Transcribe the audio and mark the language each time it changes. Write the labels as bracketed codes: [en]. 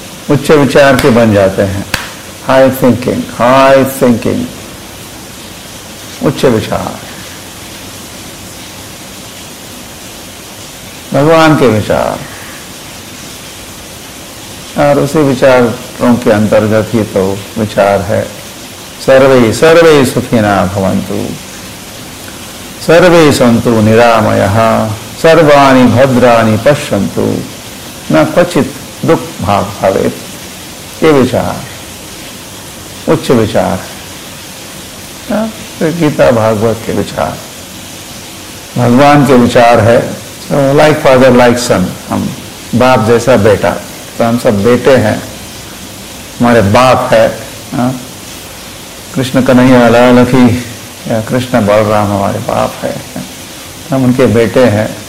[hi] उच्च विचार के बन जाते हैं, [en] high thinking, high thinking, [hi] उच्च विचार, भगवान के विचार, और उसी विचारों के अंतर्गत ही तो विचार है। [sa] सर्वे सर्वे सुखिना भवन्तु, सर्वे सन्तु निरामयः, सर्वाणि भद्राणि पश्यन्तु, न क्वचित् दुःख भाग् भवेत्। [hi] ये विचार उच्च विचार, गीता भागवत के विचार, भगवान के विचार है। [en] like father like son, [hi] हम बाप जैसा बेटा, तो हम सब बेटे हैं, हमारे बाप है कृष्ण कन्हैया लाल की, या कृष्ण बलराम हमारे बाप है, हम उनके बेटे हैं।